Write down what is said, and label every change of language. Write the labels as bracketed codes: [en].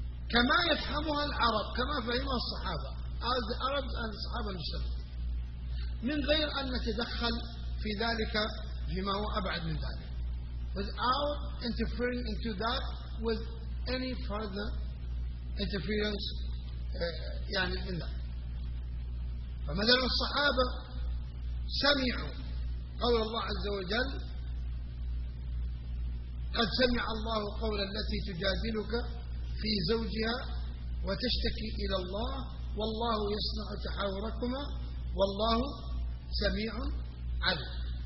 [ar] كما يفهمها العرب كما فهمها الصحابة. [en] As the Arabs and the Sahaba understood. [ar] من غير أن نتدخل في ذلك بما هو أبعد من ذلك. [en] Without interfering into that with any further interference يعني in that. [ar] فمثلا الصحابة سمعوا قول الله عز وجل قد سمع الله قول التي تجادلك في زوجها وتشتكي إلى الله والله يسمع تحاوركما والله سميع عليم.